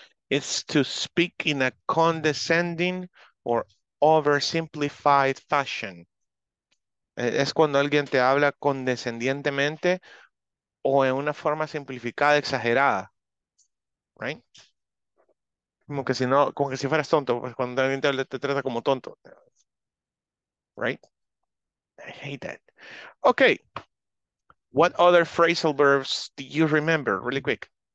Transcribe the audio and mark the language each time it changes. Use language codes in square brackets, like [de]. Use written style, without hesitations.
[en] It's to speak in a condescending or oversimplified fashion. [es] Es cuando alguien te habla condescendientemente o en una forma simplificada, exagerada, right? Como que si no, como que si fueras tonto, pues cuando alguien te trata como tonto, right? [en] I hate that. Okay, what other phrasal verbs do you remember really quick?